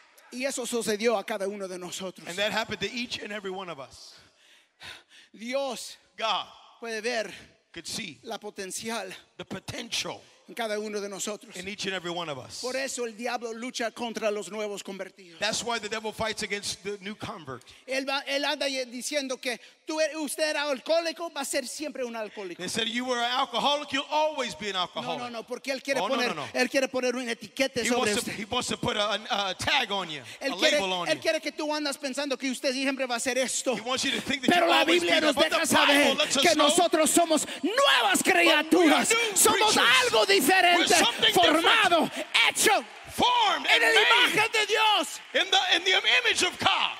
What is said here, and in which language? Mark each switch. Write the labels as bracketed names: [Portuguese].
[Spanish] Y eso sucedió a cada uno de nosotros. [English] And that happened to each and every one of us. [Spanish] Dios [English] God [Spanish] puede ver [English] could see [Spanish] la potencial. [English] The potential. [Spanish] En cada uno de nosotros. [English] In each and every one of us. [Spanish] Por eso el diablo lucha contra los nuevos convertidos. [English] That's why the devil fights against the new convert. [Spanish] Él anda diciendo que usted era alcohólico, va a ser siempre un alcohólico. [English] They said you were an alcoholic, you'll always be an alcoholic. [Spanish] No, porque él quiere poner él quiere poner una etiqueta sobre usted. [English] He wants to put a tag on you, a label on you. [Spanish] Él quiere que tú andas pensando que usted siempre va a ser esto. [English] He wants you to think that [Spanish] pero la Biblia nos deja saber que nosotros somos nuevas criaturas. Somos algo diferente, formado, hecho [English] formed [Spanish] en la imagen de Dios. [English] In the image of God.